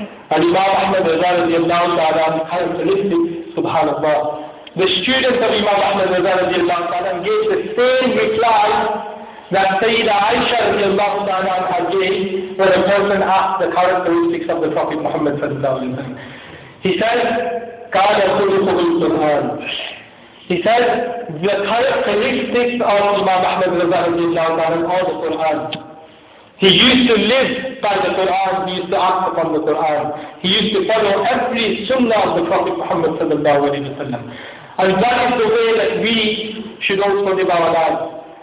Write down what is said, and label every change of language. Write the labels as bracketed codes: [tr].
[en] And Imam Ahmad Raza radiallahu ta'ala's characteristics, subhanAllah. The student of Imam Ahmad Raza radiallahu ta'ala gave the same reply that Sayyidah Aisha radiallahu ta'ala had gave when a person asked the characteristics of the Prophet Muhammad sallallahu alayhi wa sallam. He said, [ar] قَالَ خُلُقُهُ الْقُرْآنِ. [en] He said, the characteristics of Imam Ahmad Raza radiallahu ta'ala are the Qur'an. He used to live by the Qur'an, he used to act upon the Qur'an. He used to follow every sunnah of the Prophet Muhammad sallallahu alayhi wa sallam. And that is the way that we should also live our lives.